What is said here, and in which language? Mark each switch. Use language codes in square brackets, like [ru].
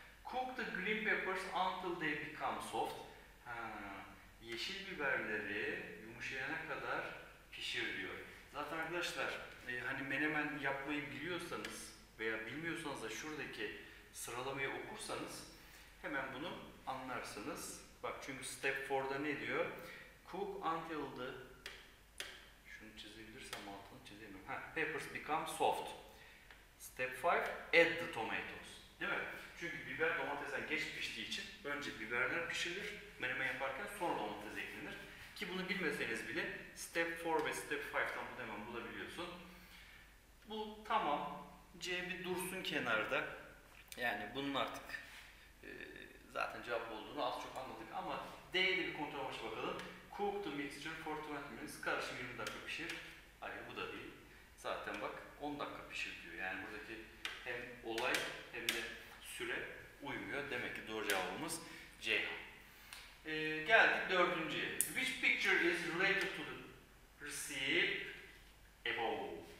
[en] Cook the green peppers until they become soft. [tr] Ha, yeşil biberleri yumuşayana kadar pişir diyor. Zaten arkadaşlar Hani menemen yapmayı biliyorsanız veya bilmiyorsanız da şuradaki sıralamayı okursanız hemen bunu anlarsınız. Bak çünkü step 4'da ne diyor? [en] Cook until the, [tr] şunu çizebilirsem altını çizemiyorum. [en] Ha, peppers become soft. Step 5, add the tomatoes. [tr] Değil mi? Çünkü biber domatesen geç piştiği için önce biberler pişirilir. Menemen yaparken sonra domates eklenir. Ki bunu bilmeseniz bile step 4 ve step 5'tan bunu hemen bulabiliyorsun. Bu tamam. C bir dursun kenarda. Yani bunun artık zaten cevap olduğunu az çok anladık ama D'yle bir kontrol başı bakalım. [en] Cook the mixture for 20 minutes. [tr] Karışım 20 dakika pişir. Hayır bu da değil. Zaten bak 10 dakika pişir diyor. Yani buradaki hem olay hem de süre uymuyor. Demek ki doğru cevabımız C. Geldik dördüncüye. [en] Which picture is related to the receive above?